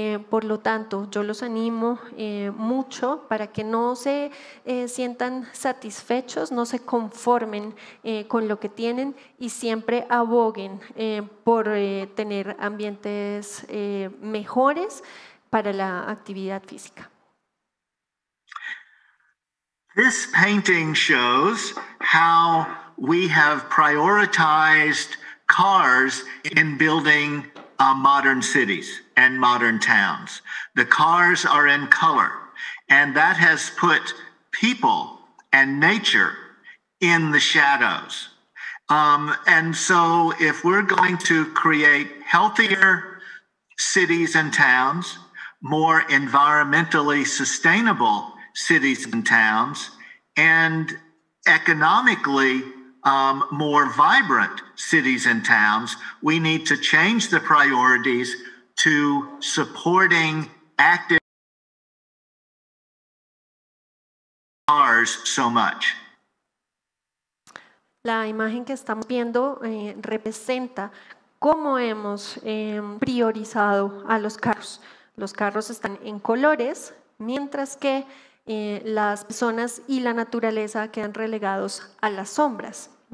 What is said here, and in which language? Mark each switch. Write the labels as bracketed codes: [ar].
[es] Por lo tanto, yo los animo mucho para que no se sientan satisfechos, no se conformen con lo que tienen y siempre aboguen por tener ambientes mejores para la actividad física. [en] This painting shows how we have prioritized cars in building modern cities and modern towns. The cars are in color, and that has put people and nature in the shadows. And so if we're going to create healthier cities and towns, more environmentally sustainable cities and towns, and economically more vibrant cities and towns, we need to change the priorities to supporting active cars so much. [es] La imagen que estamos viendo representa cómo hemos priorizado a los carros. Los carros están en colores, mientras que las personas y la naturaleza quedan relegados a las sombras.